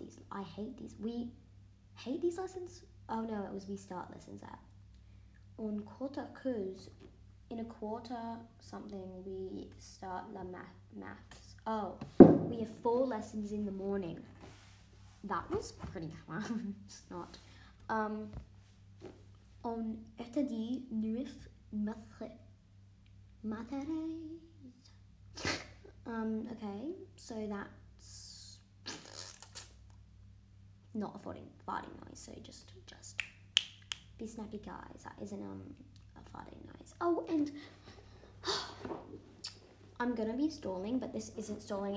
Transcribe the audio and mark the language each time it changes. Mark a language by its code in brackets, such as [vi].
[en] I hate these lessons. Oh no, it was we start lessons at. In a quarter something, we start the maths. Oh, we have four lessons in the morning. That was pretty fun. It's not. [fr] On étudie neuf matières. [en] Okay, so that's not a farting noise. So just be snappy, guys. That isn't farting noise. Oh, and I'm gonna be stalling, but this isn't stalling.